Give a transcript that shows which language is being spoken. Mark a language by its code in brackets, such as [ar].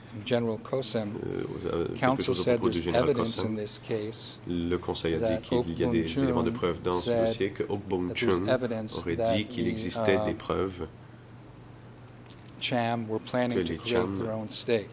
[en] General Kosem, counsel said there's evidence in this case. [fr] Le conseil a dit qu'il y a des éléments de preuve dans ce dossier, que Ok Bong Chun aurait dit qu'il existait des preuves. [en] Cham were planning to create their own state.